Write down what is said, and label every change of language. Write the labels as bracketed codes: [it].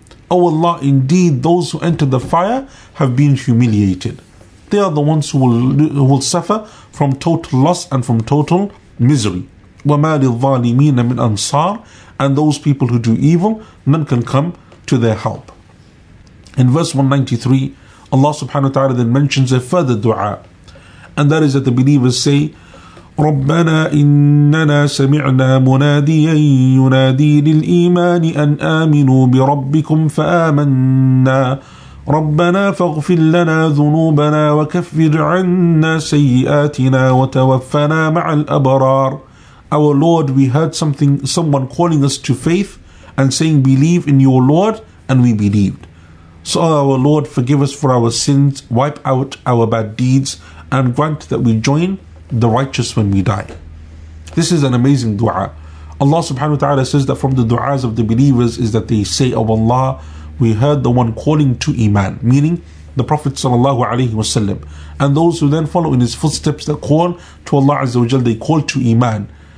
[en] "Oh Allah, indeed those who enter the fire have been humiliated. They are the ones who will suffer from total loss and from total misery. [ar] وَمَا لِلظَّالِمِينَ مِنْ أَنصَارٍ," [en] and those people who do evil, none can come to their help. In verse 193, Allah subhanahu wa ta'ala then mentions a further dua, and that is that the believers say, [ar] رَبَّنَا إِنَّنَا سَمِعْنَا مُنَادِيًا يُنَادِي لِلْإِيمَانِ أَنْ آمِنُوا بِرَبِّكُمْ فَآمَنَّا رَبَّنَا فَاغْفِرْ لَنَا ذُنُوبَنَا وَكَفِّرْ عَنَّا سَيِّئَاتِنَا وَتَوَفَّنَا مَعَ الْأَبَرَارِ. [en] Our Lord, we heard someone calling us to faith and saying, "Believe in your Lord," and we believed. So our Lord, forgive us for our sins, wipe out our bad deeds, and grant that we join the righteous when we die. This is an amazing dua. Allah subhanahu wa ta'ala says that from the du'as of the believers is that they say, "Oh Allah, we heard the one calling to Iman," meaning the Prophet sallallahu alayhi wa sallam, and those who then follow in his footsteps that call to Allah azza wa jal, they call to Iman.